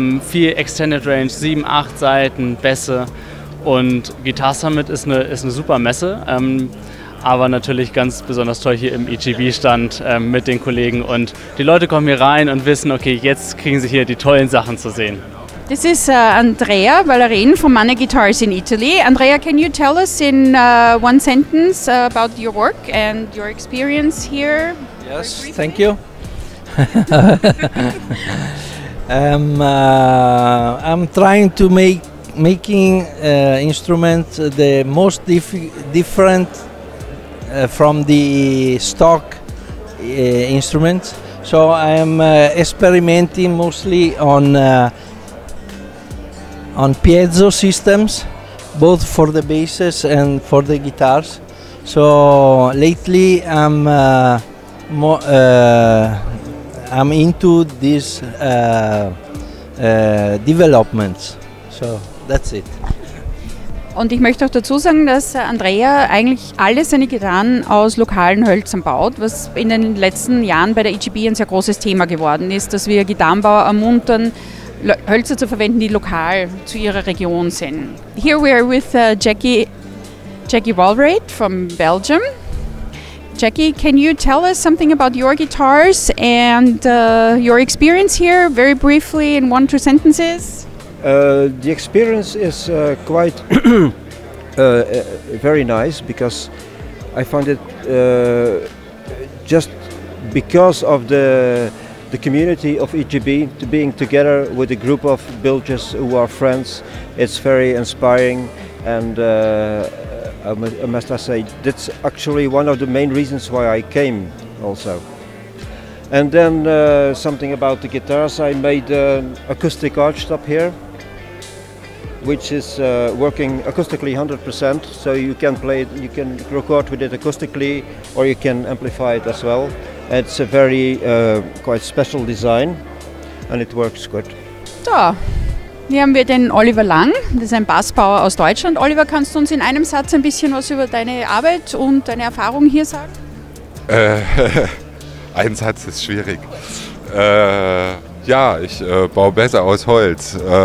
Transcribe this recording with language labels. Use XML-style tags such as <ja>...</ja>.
<de>Viel Extended Range, 7, 8 Saiten, Bässe. Und Guitar Summit ist eine super Messe. Aber natürlich ganz besonders toll hier im EGB-Stand mit den Kollegen. Und die Leute kommen hier rein und wissen, okay, jetzt kriegen sie hier die tollen Sachen zu sehen. Das ist Andrea Valerin von Manne Guitars in Italy.</de> <en>Andrea, can you tell us in one sentence about your work and your experience here? Yes, thank you. I'm trying to making instruments the most different from the stock instruments, so I am experimenting mostly on piezo systems, both for the basses and for the guitars. So lately I'm into these developments. So that's it.</en> <de>Und ich möchte auch dazu sagen, dass Andrea eigentlich alle seine Gitarren aus lokalen Hölzern baut, was in den letzten Jahren bei der EGB ein sehr großes Thema geworden ist, dass wir Gitarrenbauer ermuntern, Hölzer zu verwenden, die lokal zu ihrer Region sind.</de> <en>Here we are with Jackie Walraid from Belgium. Jackie, can you tell us something about your guitars and your experience here very briefly in one, two sentences? The experience is quite very nice because I found it just because of the the community of EGB, being together with a group of builders who are friends, it's very inspiring. And I must say, that's actually one of the main reasons why I came also. And then something about the guitars. I made an acoustic arch top here, which is working acoustically 100%. So you can play it, you can record with it acoustically, or you can amplify it as well. It's a very quite special design, and it works good.</en> <de>So, hier haben wir den Oliver Lang, das ist ein Bassbauer aus Deutschland. Oliver, kannst du uns in einem Satz ein bisschen was über deine Arbeit und deine Erfahrung hier sagen? Ein Satz ist schwierig. Ich baue Bässe aus Holz.</de>